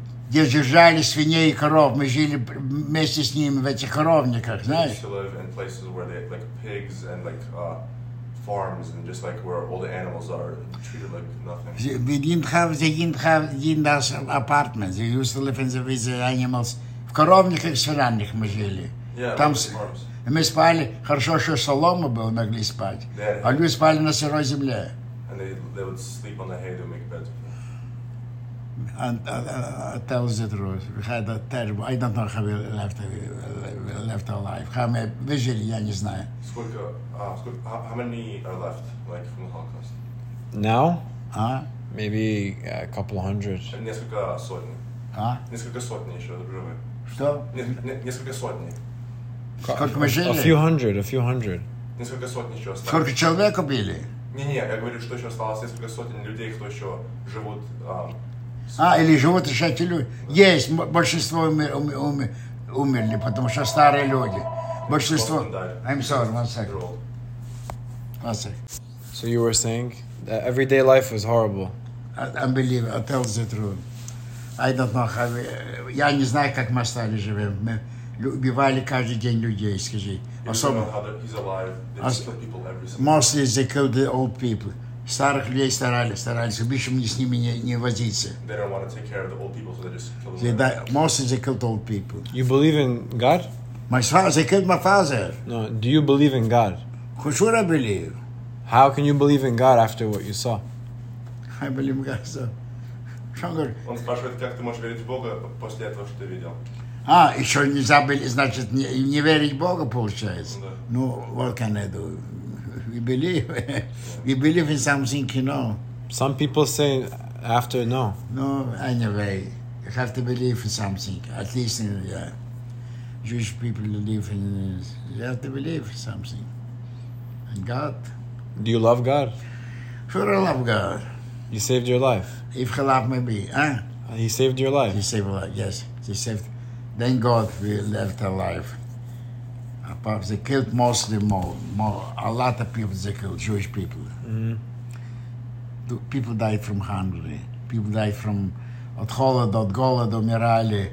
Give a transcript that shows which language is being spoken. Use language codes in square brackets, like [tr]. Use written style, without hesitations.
[ru] где держали свиней и коров. Мы жили вместе с ними в этих коровниках, знаешь? [en] They used to live in places where they had like pigs and like farms and just like where all the animals are treated like nothing. They didn't have apartments. They used to live with the animals. [ru] В коровниках и сараях мы жили. [en] Yeah, [ru] там [en] like farms. [ru] Мы спали. Хорошо, что солома была, могли спать. [en] Yeah. [ru] А люди спали на сырой земле. [en] And they would sleep on the hay to make beds. And tell the truth. We had a terrible... I don't know how we left our life. How many... We [ru] жили, я не знаю. [en] How many are left, like, from the Holocaust? Now? Huh? Maybe a couple hundred. And [ru] несколько сотен. Huh? Несколько сотни еще, доброе. Что? Несколько сотни. Сколько машин? [en] A few hundred. [ru] Несколько сотен еще осталось. Сколько человек убили? Не-не, я говорю, что еще осталось несколько сотен людей, кто еще живут. Или живут еще эти люди. Да. Есть, большинство умерли, потому что старые люди. Большинство... [en] I'm sorry, one second. One second. So you were saying that everyday life was horrible. Unbelievable, I tell the truth. I don't know how... [ru] Я не знаю, как мы остались живем. Мы убивали каждый день людей, скажи. Особо... [en] He's alive. They kill people every single day. Mostly they kill the old people. Старых людей старались, чтобы с ними не возиться. They don't want to take care of the old people, so they just kill them. Mostly they killed old people. You believe in God? My father, they killed my father. No, do you believe in God? Who should I believe? How can you believe in God after what you saw? I believe in God, so... Stronger. [ru] Он спрашивает, как ты можешь верить в Бога после этого, что ты видел? А, еще не забыли, значит, не верить в Бога, получается? Да. Ну, [en] what can I do? We believe in something, you know. Some people say after, no. No, anyway, you have to believe in something, at least in the Jewish people believe in it. You have to believe in something. And God. Do you love God? Sure, I love God. You saved your life. If he loved me, huh? He saved your life. He saved my life, yes. He saved. Then God left our life. But they killed mostly more, a lot of people they killed, Jewish people. Mm-hmm. People died from hunger. People died from [ru] от холода, от голода, умирали.